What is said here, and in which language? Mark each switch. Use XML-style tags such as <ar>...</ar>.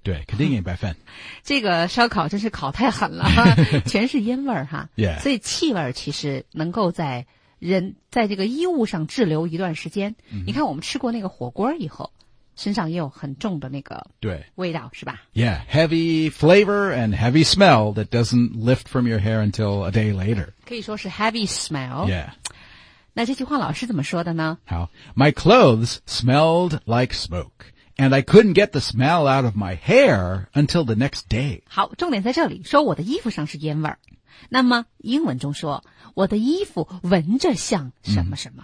<zh>对，肯定一百分。这个烧烤真是烤太狠了，全是烟味儿哈。</zh> <en>Yeah.</en> <zh>所以气味其实能够在人在这个衣物上滞留一段时间。 Mm-hmm. 你看我们吃过那个火锅以后，身上也有很重的那个味道，对，是吧</zh> <en>？Yeah, heavy flavor and heavy smell that doesn't lift from your hair until a day later.</en> <zh>可以说是 heavy smell.</zh> <en>Yeah.</en> <zh>那这句话老师怎么说的呢？</zh> <en>好 ，My clothes smelled like smoke. And I couldn't get the smell out of my hair until the next day.</en> <zh>好，重点在这里，说我的衣服上是烟味儿。那么英文中说，我的衣服闻着像什么什么。</zh>